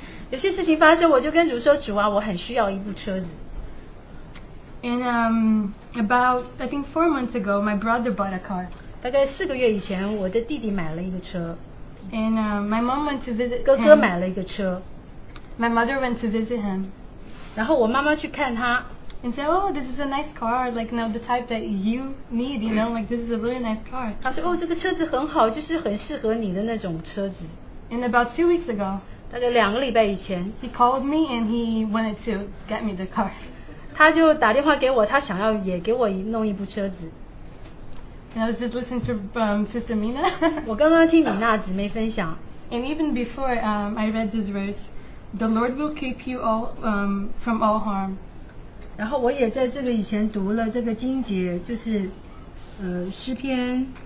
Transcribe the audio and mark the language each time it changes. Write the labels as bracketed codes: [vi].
[zh] 有些事情发生我就跟主说主啊我很需要一部车子 [en] And about, I think 4 months ago, my brother bought a car. [zh] 大概四个月以前，我的弟弟买了一个车。 [en] And my mom went to visit. [zh] 哥哥买了一个车。 [en] My mother went to visit him. [zh] 然后我妈妈去看他。 [en] And said, "Oh, this is a nice car. Like, no, the type that you need. You know, like this is a really nice car." [zh] 他说，哦，这个车子很好，就是很适合你的那种车子。 [en] And about 2 weeks ago. [zh] 大概两个礼拜以前。 [en] He called me and he wanted to get me the car. [zh] 他就打电话给我他想要也给我弄一部车子 [en] And I was just listening to Sister Mina [zh] 我刚刚听米娜姊妹分享 [en] And even before I read this verse The Lord will keep you all, from all harm [zh] 然后我也在这个以前读了这个经节就是诗篇